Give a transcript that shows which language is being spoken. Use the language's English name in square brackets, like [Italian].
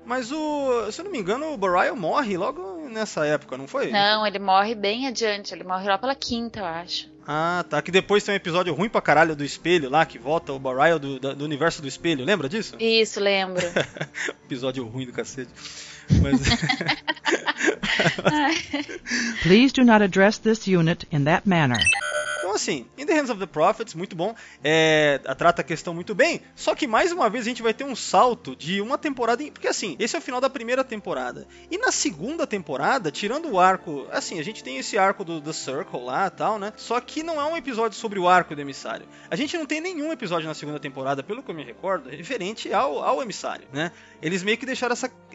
[Portuguese] Mas o, se eu não me engano, o Borail morre logo nessa época, não foi? Não, ele morre bem adiante, ele morre lá pela quinta, eu acho. Ah, tá. Que depois tem um episódio ruim pra caralho do espelho lá, que volta o Borail do universo do espelho, lembra disso? Isso, lembro. Episódio ruim do cacete. Mas... [English] Please do not address this unit in that manner. [Portuguese] Então assim, In the Hands of the Prophets, muito bom, é, trata a questão muito bem, só que mais uma vez a gente vai ter um salto de uma temporada, porque assim, esse é o final da primeira temporada, e na segunda temporada, tirando o arco, assim, a gente tem esse arco do The Circle lá e tal, né, só que não é um episódio sobre o arco do emissário, a gente não tem nenhum episódio na segunda temporada, pelo que eu me recordo, referente ao emissário, né. Eles meio que deixaram essa...